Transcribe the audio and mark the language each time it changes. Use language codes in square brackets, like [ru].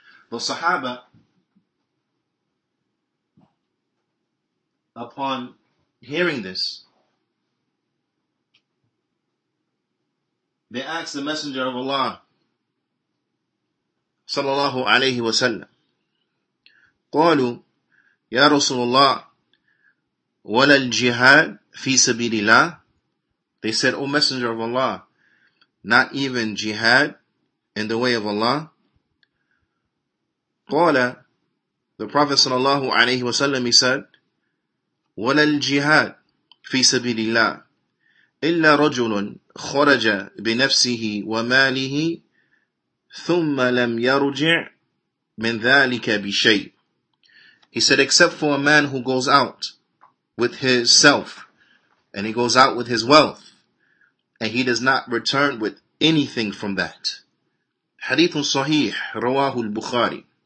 [en] The Sahaba, upon hearing this, they asked the Messenger of Allah sallallahu alayhi wa sallam, [ar] قالوا يا رسول الله ولا الجهاد في سبيل الله. [en] They said, O Messenger of Allah, not even jihad in the way of Allah. [ar] قال, [en] the Prophet sallallahu alayhi wa sallam, he said, [ar] ولا الجهاد في سبيل الله إلا رجل خرج بنفسه وماله ثم لم يرجع من ذلك بشيء. [en] He said, except for a man who goes out with his self, and he goes out with his wealth, and he does not return with anything from that. [ar] Hadith Sahih, Rawahu al-Bukhari.